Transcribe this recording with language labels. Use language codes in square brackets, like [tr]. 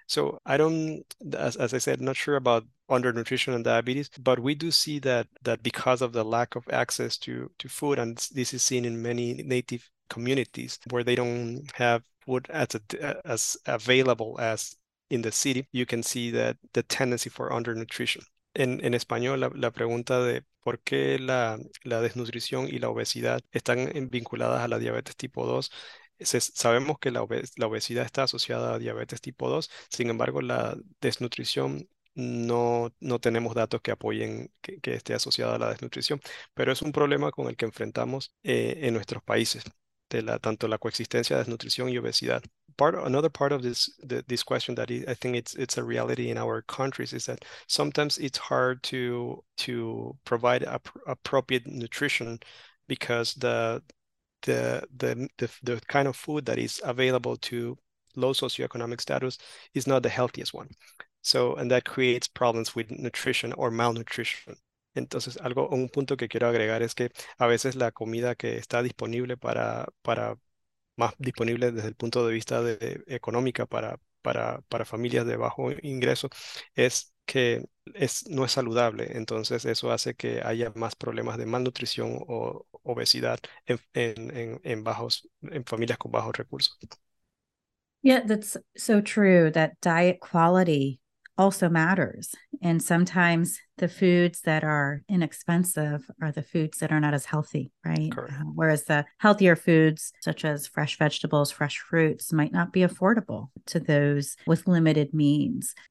[en] So I don't, as I said, not sure about undernutrition and diabetes, but we do see that because of the lack of access to food, and this is seen in many native communities where they don't have food as available as in the city, you can see that the tendency for undernutrition. [es] En español, la pregunta de por qué la desnutrición y la obesidad están vinculadas a la diabetes tipo 2. Sabemos que la obesidad está asociada a diabetes tipo 2, sin embargo, la desnutrición no tenemos datos que apoyen que esté asociada a la desnutrición, pero es un problema con el que enfrentamos en nuestros países. Tanto la coexistencia de desnutrición y obesidad. [en] Another part of this question that I think it's a reality in our countries is that sometimes it's hard to provide appropriate nutrition because the kind of food that is available to low socioeconomic status is not the healthiest one. So, and that creates problems with nutrition or malnutrition. [es] Entonces, un punto que quiero agregar es que a veces la comida que está disponible para más disponible desde el punto de vista de económica para familias de bajo ingreso es que no es saludable. Entonces, eso hace que haya más problemas de malnutrición o obesidad en familias con bajos recursos. [en] Yeah, that's so true that diet quality also matters. And sometimes the foods that are inexpensive are the foods that are not as healthy, right? Correct. Whereas the healthier foods, such as fresh vegetables, fresh fruits, might not be affordable to those with limited means.